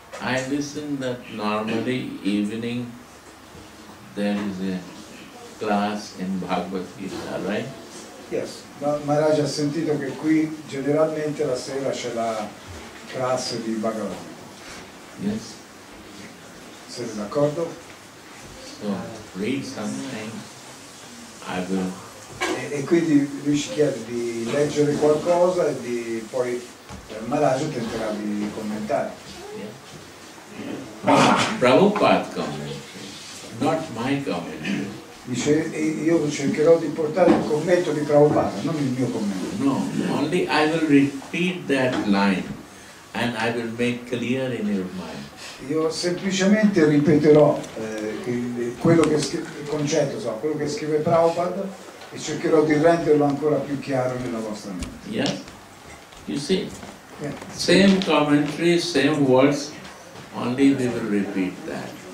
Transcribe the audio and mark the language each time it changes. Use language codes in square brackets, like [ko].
[en] I listen that normally evening there is a class in Bhagavad Gita, right? Yes, [it] ma Maharaj ha sentito che qui generalmente la sera c'è la classe di Bhagavad Gita. [en] Yes. [it] Siete d'accordo? [en] So, read something, I will. [it] E quindi lui ci chiede di leggere qualcosa e di poi Maharaj tenterà di commentare. [en] Prabhupada commentary, not my commentary. [it] Dice, io cercherò di portare il commento di Prabhupada, non il mio commento. [en] No, only I will repeat that line and I will make clear in your mind. [it] Io semplicemente ripeterò quello che scrive, il concetto, so, quello che scrive Prabhupada e cercherò di renderlo ancora più chiaro nella vostra mente. [en] Yes, you see, same commentary, same words. Only we will repeat that.